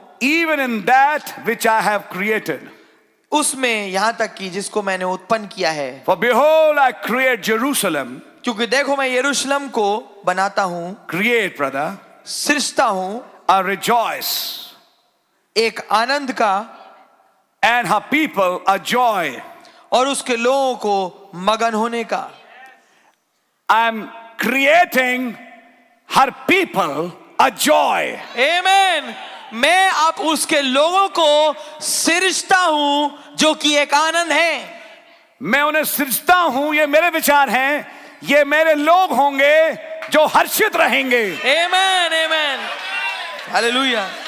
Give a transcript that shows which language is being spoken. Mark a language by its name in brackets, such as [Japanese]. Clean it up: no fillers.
[English] Even in that which I have created. [Hindi] उसमें, यहां तक कि जिसको मैंने उत्पन्न किया है. [English] For behold, I create Jerusalem. [Hindi] क्योंकि देखो मैं यरूशलम को बनाता हूं. [English] Create brother. [Hindi] सृष्टा हूं. [English] A rejoice. [Hindi] एक आनंद का. [English] And her people a joy. [Hindi] और उसके लोगों को मगन होने का. [English] I am creating her people a joy. Amen. [Hindi] मैं आप उसके लोगों को सृजता हूं जो कि एक आनंद है. मैं उन्हें सृजता हूं, ये मेरे विचार हैं, ये मेरे लोग होंगे जो हर्षित रहेंगे. आमीन. आमीन. हालेलुया.